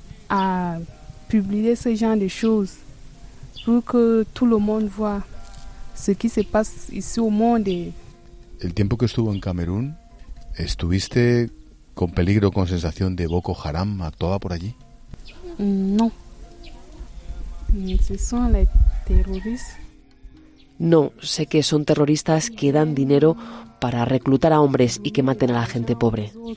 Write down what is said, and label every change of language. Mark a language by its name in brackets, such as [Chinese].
[French] À publier ce genre de choses pour que tout le monde voit ce qui se passe ici au monde. [Spanish] El tiempo que estuvo en Camerún, ¿estuviste con peligro, con sensación de Boko Haram actuaba por allí? No. [French] Ce sont les terroristes. [Spanish] No, sé que son terroristas que dan dinero para reclutar a hombres y que maten a la gente pobre.